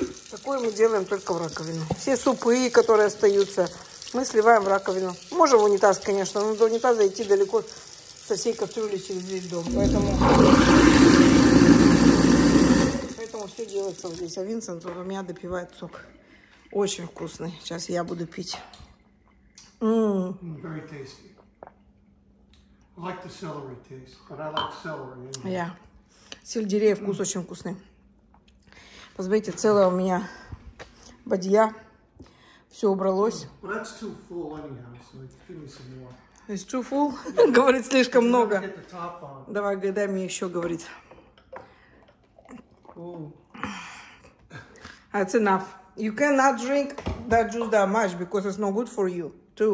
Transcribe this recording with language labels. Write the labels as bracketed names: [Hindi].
[Russian] Такое мы делаем только в раковину. Все супы, которые остаются, мы сливаем в раковину. Можем в унитаз, конечно, но до унитаза идти далеко со всей кастрюли через весь дом. Поэтому все делается вот здесь. А Винсент у меня допивает сок. Очень вкусный. Сейчас я буду пить. [English] Very tasty. I like the celery taste, but I like celery. Yeah. [Russian] Сельдерей вкус очень вкусный. Посмотрите, целая у меня бадья, все убралось. [English] It's too full, anyhow, so it's too full. [Russian] Говорит, слишком много. Давай, дай мне еще, говорит. Oh. [English] That's enough. You cannot drink that juice that much because it's not good for you too.